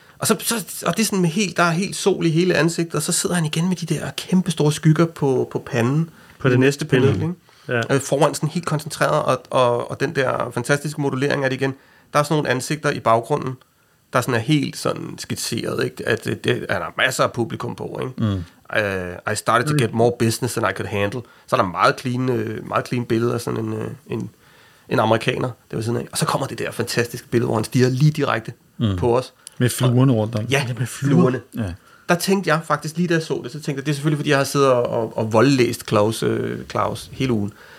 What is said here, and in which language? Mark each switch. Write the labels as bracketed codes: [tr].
[da] Og så og det er sådan med helt, der er helt sol i hele ansigtet, og så sidder han igen med de der kæmpe store skygger på panden på det næste billede, ikke? Ja. Foran sådan helt koncentreret, og den der fantastiske modulering af det igen. Der er sådan nogle ansigter i baggrunden, der sådan er helt sådan skitseret, ikke? At der er masser af publikum på, ikke? [en] I started to get more business than I could handle. [da] Så er der meget clean billeder af sådan en amerikaner, det var sådan af. Og så kommer det der fantastiske billede, hvor han stiger lige direkte på os. Med fluerne rundt om. Ja, med fluerne. Ja. Der tænkte jeg faktisk, lige da jeg så det, så tænkte jeg, det er selvfølgelig, fordi jeg har siddet og voldlæst Klaus hele ugen.